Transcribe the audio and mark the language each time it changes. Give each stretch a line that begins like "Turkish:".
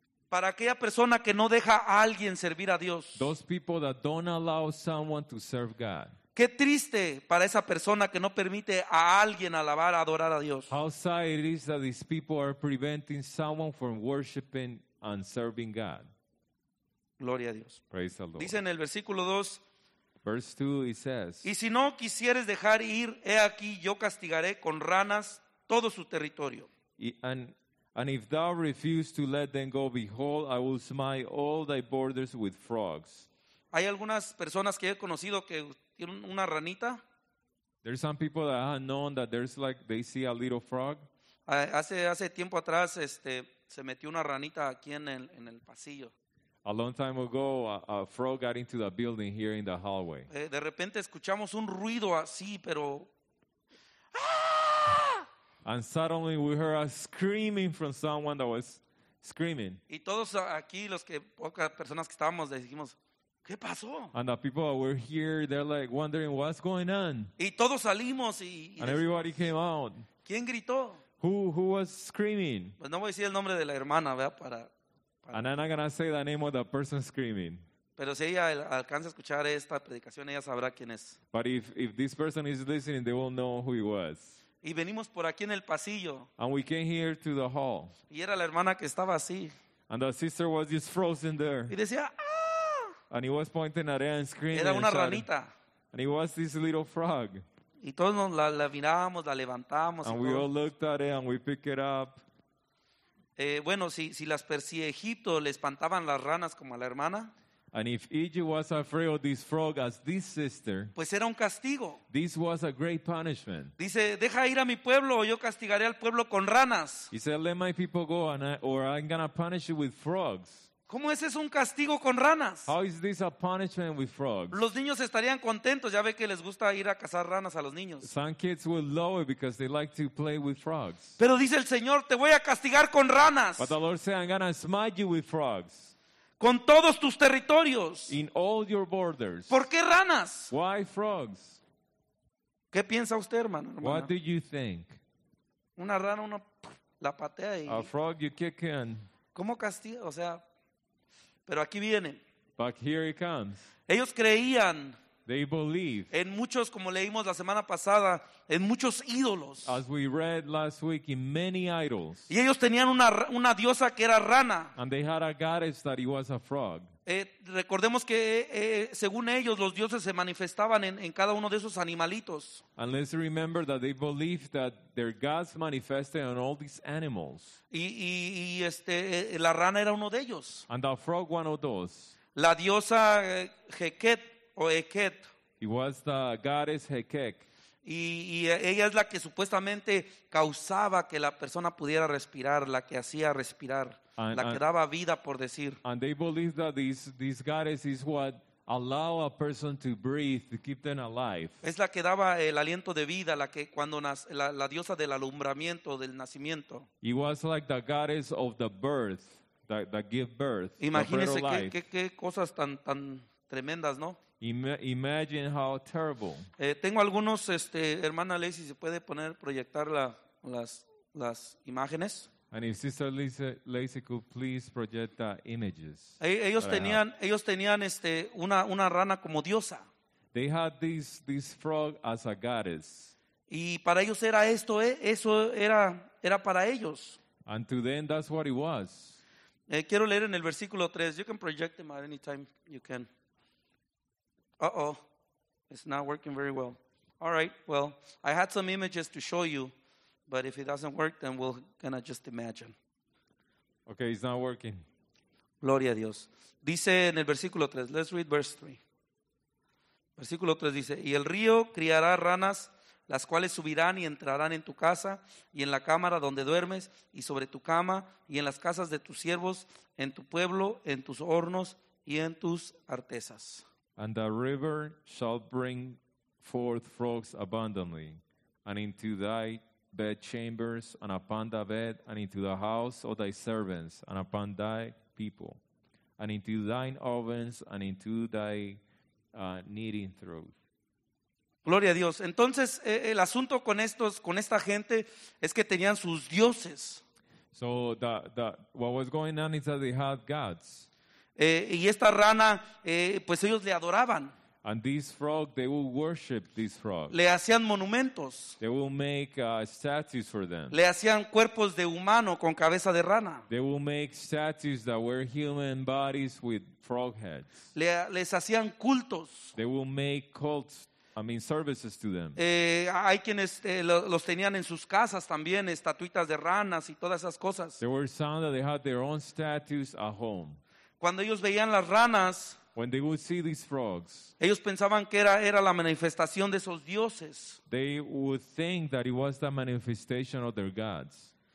Spanish: Para aquella persona que no deja a alguien servir a Dios.
English: Those people that don't allow someone to serve God.
Spanish: Qué triste para esa persona que no permite a alguien alabar, adorar a Dios.
English: How sad it is that these people are preventing someone from worshiping and serving God.
Spanish: Gloria a Dios.
English: Praise the Lord.
Spanish: Dice en el versículo 2.
English: Verse 2 it says.
Spanish: Y si no quisieres dejar ir, he aquí yo castigaré con ranas todo su territorio.
English: And if thou refuse to let them go, behold, I will smite all thy borders with frogs.
Spanish: Hay algunas personas que he conocido que tienen una ranita.
English: There's some people that have known that there's like they see a little frog.
Spanish: Hace tiempo atrás, se metió una ranita aquí en el pasillo.
English: A long time ago, a frog got into the building here in the hallway.
Spanish: De repente escuchamos un ruido así, pero.
English: And suddenly we heard a screaming from someone that was screaming.
Spanish: Y todos aquí, los que pocas personas que estábamos, dijimos, ¿qué pasó?
English: And the people that were here, they're like wondering what's going on.
Spanish: Y todos salimos
English: and everybody came out.
Spanish: ¿Quién gritó?
English: Who was screaming?
Spanish: Pues no voy a decir el nombre de la hermana, ¿verdad? Para.
English: And I'm not gonna say the name of the person screaming.
Spanish: Pero si ella alcanza a escuchar esta predicación, ella sabrá quién es.
English: But if this person is listening, they will know who he was.
Spanish: Y venimos por aquí en el pasillo.
English: And we came here to the hall.
Spanish: Y era la hermana que estaba así.
English: And the sister was just frozen there.
Spanish: Y decía, ¡ah!
English: And he was pointing at her and screaming.
Spanish: Era una ranita.
English: And he was this little frog.
Spanish: Y todos nos la mirábamos, la levantamos.
English: And
Spanish: y
English: we
Spanish: todos.
English: All looked at it and we picked it up.
Spanish: Bueno, si Egipto le espantaban las ranas como a la hermana.
English: And if Egypt was afraid of this frog as this sister,
Spanish: pues era un castigo.
English: This was a great punishment.
Spanish: Dice, deja ir a mi pueblo o yo castigaré al pueblo con ranas.
English: He said, let my people go or I'm going to punish you with frogs.
Spanish: ¿Cómo es eso un castigo con ranas?
English: How is this a punishment with frogs?
Spanish: Los niños estarían contentos, ya ve que les gusta ir a cazar ranas a los niños.
English: Some kids will love it because they like to play with frogs.
Spanish: Pero dice el Señor, te voy a castigar con ranas.
English: But the Lord said, I'm going to smite you with frogs.
Spanish: Con todos tus territorios.
English: In all your borders.
Spanish: ¿Por qué ranas?
English: Why frogs?
Spanish: ¿Qué piensa usted, hermano?
English: What do you think?
Spanish: Una rana, uno la patea y.
English: A frog, you kick in.
Spanish: ¿Cómo castiga? O sea, pero aquí viene.
English: But here it comes.
Spanish: Ellos creían.
English: They believe.
Spanish: En muchos, como leímos la semana pasada, en muchos ídolos.
English: As we read last week, in many idols.
Spanish: Y ellos tenían una diosa que era rana.
English: And they had a goddess that he was a frog.
Spanish: Recordemos que según ellos los dioses se manifestaban en cada uno de esos animalitos.
English: And let's remember that they believed that their gods manifested on all these animals.
Spanish: Y la rana era uno de ellos.
English: And the frog one of those.
Spanish: La diosa Heket o Heket.
English: It was the goddess Heket.
Spanish: Y ella es la que supuestamente causaba que la persona pudiera respirar, la que hacía respirar. La que daba vida, por decir.
English: And they believe that this goddess is what allow a person to breathe, to keep them alive.
Spanish: Es la que daba el aliento de vida, la que cuando nace, la diosa del alumbramiento, del nacimiento.
English: It was like the goddess of the birth, that give birth.
Spanish: Imagínese qué cosas tan tremendas, ¿no?
English: Imagine how terrible.
Spanish: Tengo algunos, hermana Lacey, ¿se puede poner, proyectar las imágenes?
English: And if Sister Lacey could please project the images.
Spanish: Ellos tenían una rana como diosa.
English: They had this frog as a goddess.
Spanish: Y para ellos era esto, eso era para ellos.
English: And to them, that's what it was.
Spanish: Quiero leer en el versículo 3.
English: You can project them at any time you can. Uh-oh, it's not working very well. All right, well, I had some images to show you. But if it doesn't work, then we're going to just imagine. Okay, it's not working.
Spanish: Gloria a Dios. Dice en el versículo 3.
English: Let's read verse 3.
Spanish: Versículo 3 dice, y el río criará ranas, las cuales subirán y entrarán en tu casa y en la cámara donde duermes y sobre tu cama y en las casas de tus siervos, en tu pueblo, en tus hornos y en tus artesas.
English: And the river shall bring forth frogs abundantly and into thy bed chambers and upon the bed and into the house of thy servants and upon thy people and into thine ovens and into thy kneading trough.
Spanish: Gloria a Dios. Entonces el asunto con esta gente es que tenían sus dioses.
English: So what was going on is that they had gods.
Spanish: Y esta rana, pues ellos le adoraban.
English: And this frog, they will worship this frog.
Spanish: Le hacían monumentos.
English: They will make statues for them.
Spanish: Le hacían cuerpos de humano con cabeza de rana.
English: They will make statues that were human bodies with frog heads.
Spanish: Les hacían cultos.
English: They will make cults, services to them.
Spanish: Hay quienes los tenían en sus casas también, estatuitas de ranas y todas esas cosas.
English: There were some that they had their own statues at home.
Spanish: Cuando ellos veían las ranas,
English: when they would see these frogs,
Spanish: ellos pensaban que era la manifestación de esos dioses.
English: They would think that it was the manifestation of their gods.